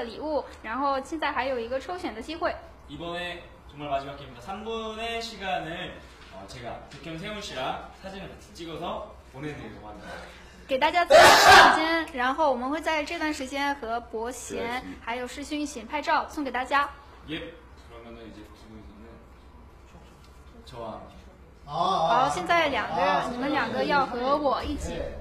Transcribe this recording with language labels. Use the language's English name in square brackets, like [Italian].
[Chinese] 是我想给大家的最后一个礼物，然后现在还有一个抽选的机会。 [Korean] 이번에 정말 마지막입니다. 3분의 시간을 제가 백현 세훈 씨랑 사진을 같이 찍어서 보내드리려고 합니다. [Chinese] 给大家最后一段时间，然后我们会在这段时间和博贤还有世勋一起拍照送给大家。 [Korean] 예, 그러면은 이제 두 분은 저와 [Chinese] 好，现在两个，你们两个要和我一起。